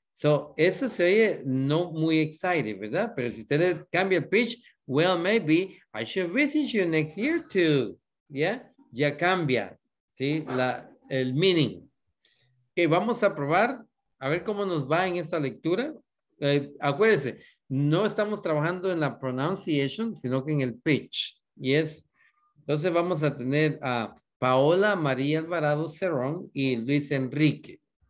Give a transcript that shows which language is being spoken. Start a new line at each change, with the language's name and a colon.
Spanish: So, eso se oye no muy exciting, ¿verdad? Pero si usted le cambia el pitch,
English: well, maybe I should visit you next year too.
Spanish: Yeah, ya cambia, ¿sí? El meaning. Ok, vamos a probar, a ver cómo nos va en esta lectura. Acuérdense, no estamos trabajando en la pronunciation, sino que en el pitch. Yes. Entonces vamos a tener a Paola María Alvarado Cerrón y Luis Enrique.